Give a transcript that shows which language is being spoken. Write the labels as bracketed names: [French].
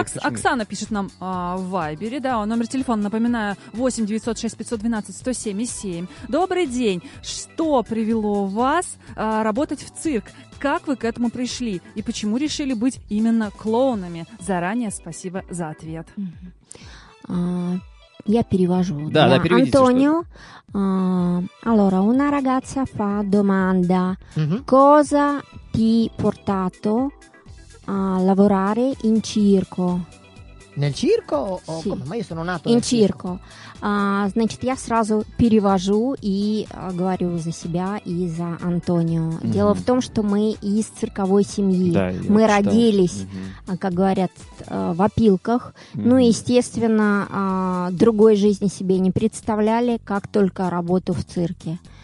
[Russian] Оксана пишет нам в Вайбере, да, номер телефона, напоминаю, 8-906-512-107-7. Добрый день. Что привело вас работать в цирк? Как вы к этому пришли? И почему решили быть именно клоунами? Заранее спасибо за ответ. Я перевожу. Да, переведите. Антонио. [Italian] Allora, una ragazza fa domanda. Cosa ti portato a lavorare in circo. Nel circo? Sì. Come? Ma io sono nato in circo. [Russian] Значит, я сразу перевожу и говорю за себя и за Антонио. Дело в том, что мы из цирковой семьи. Да, мы родились, как говорят, в опилках. Ну, естественно, другой жизни себе не представляли, как только работу в цирке.